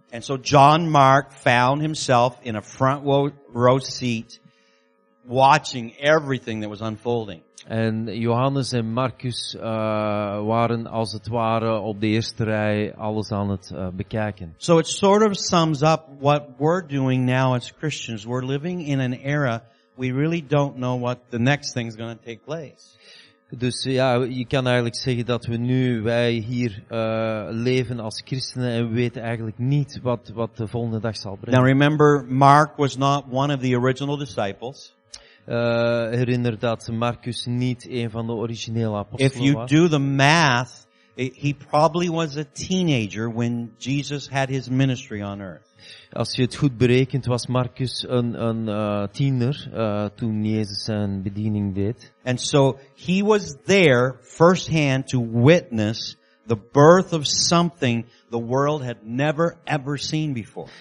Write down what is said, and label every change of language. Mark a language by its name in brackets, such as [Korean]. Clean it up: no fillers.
[English] And so John Mark found himself in a front row seat, watching everything that was unfolding. [Dutch] En Johannes en Marcus waren als het ware op de eerste rij alles aan het bekijken. [English] So it sort of sums up what we're doing now as Christians. We're living in an era we really don't know what the next thing is going to take place. [Dutch] Dus ja, je kan eigenlijk zeggen dat wij hier leven als christenen en we weten eigenlijk niet wat de volgende dag zal brengen. [English] Now remember, Mark was not one of the original disciples. [Dutch] Herinner dat Marcus niet een van de originele apostelen was. [English] If you do the math, he probably was a teenager when Jesus had his ministry on earth. [Dutch] Als je het goed berekent, was Marcus een tiener toen Jezus zijn bediening deed. [English] And so he was there firsthand to witness the birth of something the world had never ever seen before.